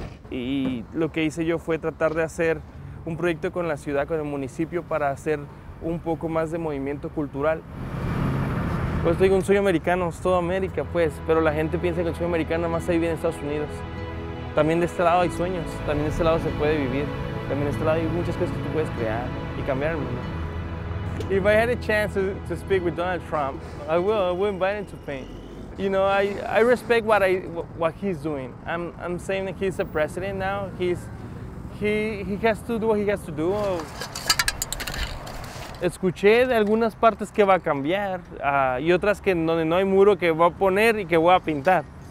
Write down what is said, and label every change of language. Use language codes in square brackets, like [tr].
[es] Y lo que hice yo fue tratar de hacer un proyecto con la ciudad, con el municipio, para hacer un poco más de movimiento cultural. Pues digo, un sueño americano, es toda América, pues, pero la gente piensa que el sueño americano más se vive en Estados Unidos. También de este lado hay sueños, también de este lado se puede vivir, también de este lado hay muchas cosas que tú puedes crear y cambiar el mundo. [en] If I had a chance to speak with Donald Trump, I will invite him to paint. You know, I respect what he's doing. I'm saying that he's the president now. He has to do what he has to do. [es] Escuché de algunas partes que va a cambiar y otras que donde no hay muro que voy a poner y que voy a pintar.